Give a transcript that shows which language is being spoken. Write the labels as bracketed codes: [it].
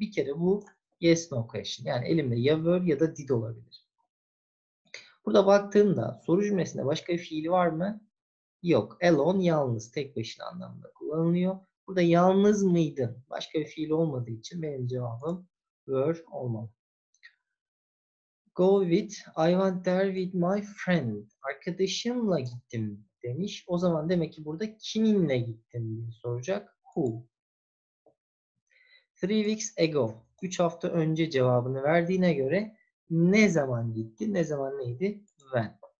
[tr] Bir kere bu [en] yes, no question. [tr] Yani elimde ya were ya da did olabilir. Burada baktığımda soru cümlesinde başka bir fiili var mı? Yok. Alone yalnız, tek başına anlamında kullanılıyor. Burada yalnız mıydın? Başka bir fiil olmadığı için benim cevabım were olmalı. [en] Go with, I went there with my friend. [tr] Arkadaşımla gittim demiş. O zaman demek ki burada kiminle gittim diye soracak. Who? [en] 3 weeks ago. [tr] 3 hafta önce cevabını verdiğine göre ne zaman gitti? Ne zaman neydi? When.